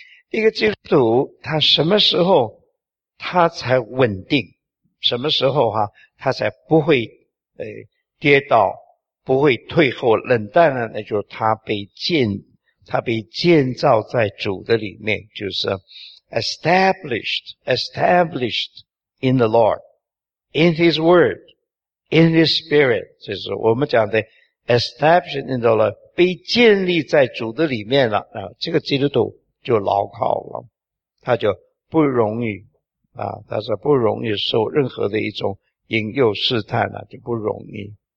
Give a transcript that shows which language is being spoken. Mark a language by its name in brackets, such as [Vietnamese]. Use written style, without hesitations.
[Chinese] 一个基督徒他什么时候他才稳定，什么时候他才不会跌倒，不会退后冷淡了，那就是他被建造在主的里面，就是 [English] established in the Lord, in His Word, in His Spirit. [Chinese] 这是我们讲的 [English] established in the Lord, [Chinese] 被建立在主的里面了、啊、这个基督徒就牢靠了，他就不容易啊，他说不容易受任何的一种引诱试探了、啊，就不容易。